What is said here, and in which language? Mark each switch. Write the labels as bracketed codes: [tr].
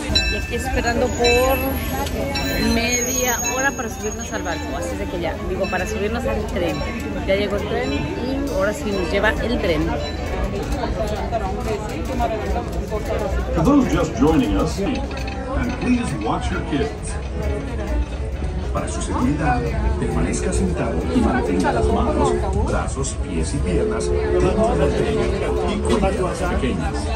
[es] Y aquí esperando por media hora para subirnos al barco, así de que ya, digo, para subirnos al tren. Ya llegó el tren y ahora sí nos lleva el tren. [en] For those just joining us, and please watch your kids. [es] Para su seguridad, permanezca sentado y mantenga las manos, brazos, pies y piernas dentro del tren y con las cosas pequeñas.